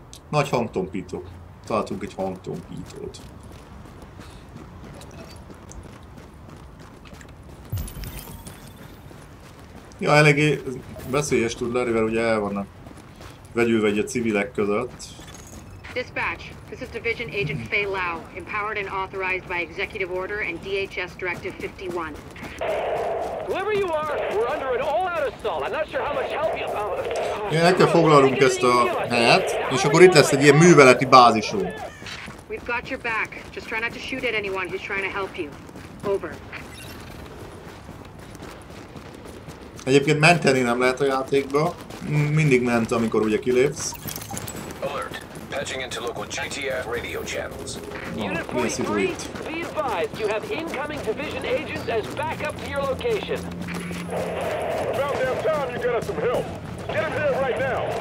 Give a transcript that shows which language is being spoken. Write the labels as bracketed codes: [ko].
[hu] Nagy hangtompító. Találtunk egy hangtompítót. Ja, eléggé veszélyes tud lenni, mert ugye el vannak vegyül vegye civilek között. [en] Dispatch, this is Division Agent Fei Lau, empowered and authorized by Executive Order and DHS Directive 51. Whoever you are, we're under an all-out assault. I'm not sure how much help you... [hu] El kell foglalnunk ezt a helyet, és akkor itt lesz egy ilyen műveleti bázisunk. [en] We've got your back. Just try not to shoot at anyone who's trying to help you. Over. [hu] Egyébként menteni nem lehet a játékba. Mindig ment, amikor ugye kilépsz. [en] Patching into local GTF radio channels. Unit 43, be advised, you have incoming division agents as backup to your location. About damn time you got us some help. Get him here right now.